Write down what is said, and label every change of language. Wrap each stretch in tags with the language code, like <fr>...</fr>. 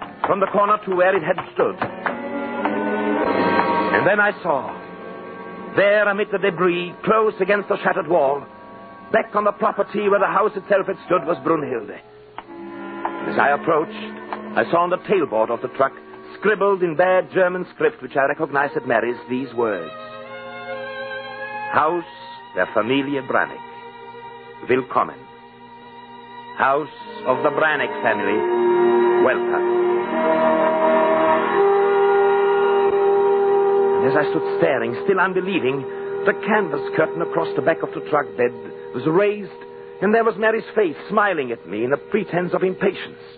<en>From the corner to where it had stood. And then I saw, there amid the debris, close against the shattered wall, back on the property where the house itself had stood, was Brunhilde. As I approached, I saw on the tailboard of the truck, scribbled in bad German script, which I recognized at Mary's, these words.</en> <de>House der Familie Branick. Willkommen.</de> <en>House of the Branick family. Welcome. And as I stood staring, still unbelieving, the canvas curtain across the back of the truck bed was raised, and there was Mary's face smiling at me in a pretense of impatience.</en>